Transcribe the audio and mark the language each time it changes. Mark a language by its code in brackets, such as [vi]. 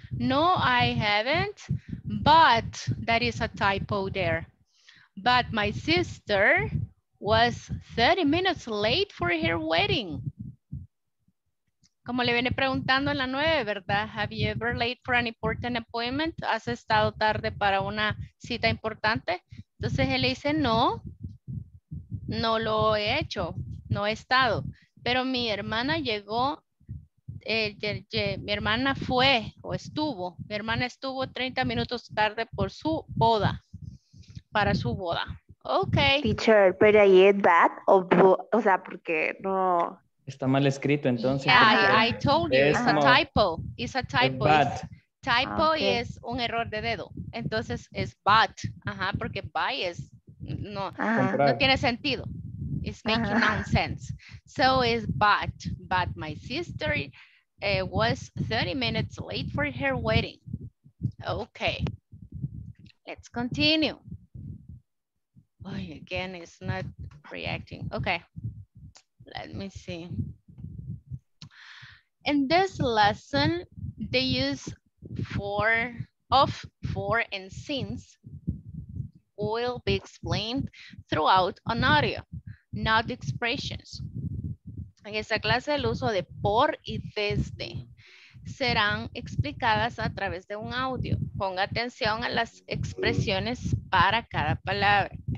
[en] No, I haven't, but that is a typo there. But my sister was 30 minutes late for her wedding. [es] Como le viene preguntando en la 9, ¿verdad? [en] Have you ever late for an important appointment? [es] ¿Has estado tarde para una cita importante? Entonces él dice, no, no lo he hecho, no he estado. Pero mi hermana llegó. Mi hermana fue o estuvo, mi hermana estuvo 30 minutos tarde por su boda, para su boda. Ok. Teacher, pero ahí es that, o sea, porque no, Está mal escrito entonces. [en] Yeah, I told you, it's a typo. It's a typo. But. It's typo okay. [es] Es un error de dedo. Entonces es but. Ajá, porque buy es no, no tiene sentido. [en] It's making nonsense. So it's but my sister was 30 minutes late for her wedding. Okay, let's continue. Boy, again, it's not reacting. Okay, let me see. In this lesson, they use for, of, for, and since will be explained throughout an audio, not expressions. [es] En esta clase, el uso de por y desde serán explicadas a través de un audio. Ponga atención a las expresiones para cada palabra.